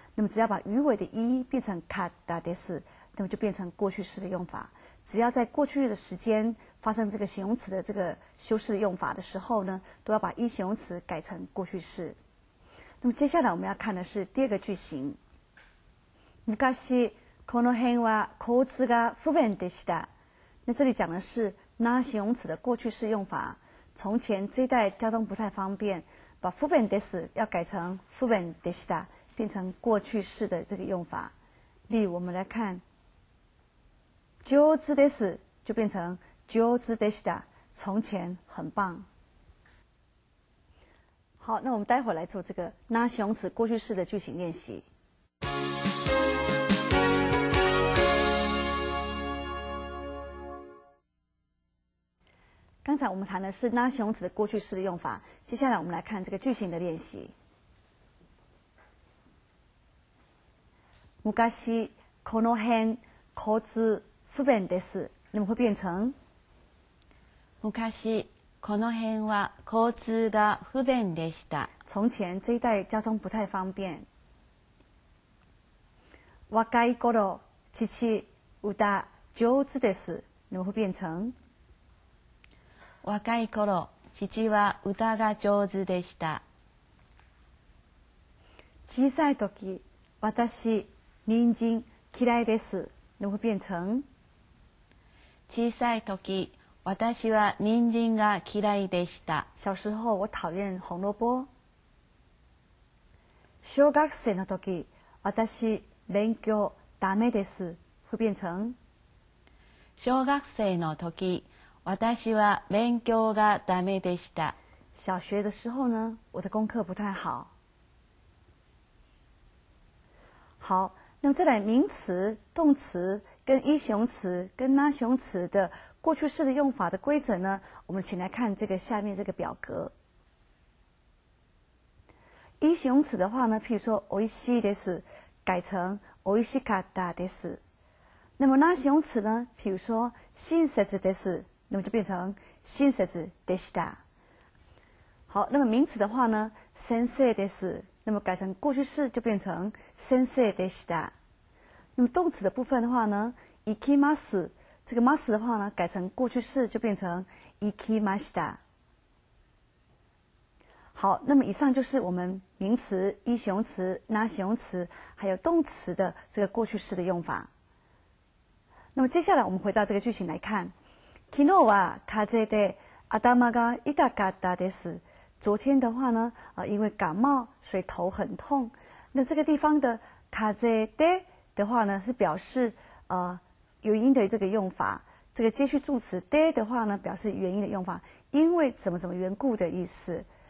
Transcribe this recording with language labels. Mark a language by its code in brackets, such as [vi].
[zh] 那么只要把鱼尾的一变成かったです，那么就变成过去式的用法。只要在过去的时间发生这个形容词的这个修饰的用法的时候呢，都要把一形容词改成过去式。那么接下来我们要看的是第二个句型。 [ja] 昔この辺は交通が不便でした。 [zh] 那这里讲的是那形容词的过去式用法。从前这一带交通不太方便，把不便です要改成不便でした。变成过去式的这个用法，例如我们来看，上手です就变成上手でした，从前很棒。好，那我们待会儿来做这个那形容词过去式的句型练习。刚才我们谈的是那形容词的过去式的用法，接下来我们来看这个句型的练习。 [ja] 昔この辺交通不便です。 [zh] 那么会变成 [ja] 昔この辺は交通が不便でした。 [zh] 从前这一带交通不太方便。 [ja] 若い頃、父、歌、上手です。 [zh] 那么会变成 [ja] 若い頃、父は歌が上手でした。小さい時、私、人参、嫌いです。 [zh] 那么变成 [ja] 小さい時、私は人参が嫌いでした。 [zh] 小时候我讨厌红萝卜。 [ja] 小学生の時、私、勉強ダメです。 [zh] 会变成 [ja] 小学生の時、私は勉強がダメでした。 [zh] 小学的时候呢、我的功课不太好。好，那么再来名词、动词跟一形词跟那形词的过去式的用法的规则呢？我们请来看这个下面这个表格。一形词的话呢，譬如说美味しいです，改成美味しかったです。那么那形词呢，譬如说親切です，那么就变成親切でした。好，那么名词的话呢，先生です。那么改成过去式就变成先生でした。那么动词的部分的话呢，行きます。这个ます的话呢，改成过去式就变成行きました。好，那么以上就是我们名词、一形词、那形词，还有动词的这个过去式的用法。那么接下来我们回到这个句型来看， [ja] 昨日は風で頭が痛かったです。 [zh] 昨天的话呢，因为感冒，所以头很痛。那这个地方的風で的话呢，是表示原因的这个用法。这个接续助词で的话呢，表示原因的用法，因为怎么怎么缘故的意思。